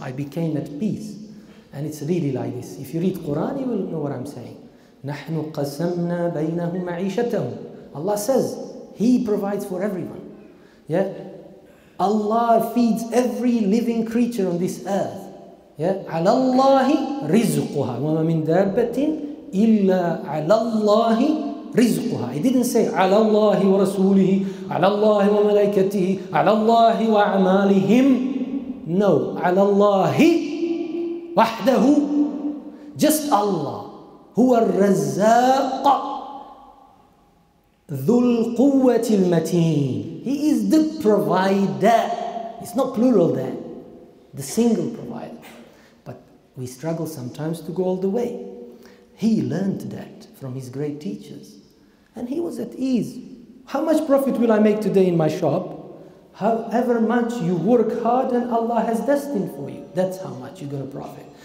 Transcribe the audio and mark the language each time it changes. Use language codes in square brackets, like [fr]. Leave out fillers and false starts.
[en] I became at peace. And it's really like this. If you read Quran, you will know what I'm saying. [ar] نَحْنُ قَسَمْنَا بَيْنَهُمْ مَعِيشَتَهُمْ [en] Allah says, He provides for everyone. Yeah? Allah feeds every living creature on this earth. Yeah? [ar] عَلَى اللَّهِ رِزْقُهَا وَمَا مِنْ دَابَّةٍ إِلَّا عَلَى اللَّهِ رِزْقُهَا [en] He didn't say, [ar] عَلَى اللَّهِ وَرَسُولِهِ عَلَى اللَّهِ وَمَلَيْكَتِهِ عَلَى اللَّهِ وَأَعْمَالِهِمْ No, عَلَى اللَّهِ وَحْدَهُ [en] Just Allah. [ar] هُوَ الرَّزَّاقَ ذُو الْقُوَّةِ الْمَتِينَ [en] He is the provider. It's not plural there. The single provider. But we struggle sometimes to go all the way. He learned that from his great teachers. And he was at ease. How much profit will I make today in my shop? However much you work hard and Allah has destined for you, that's how much you're going to profit.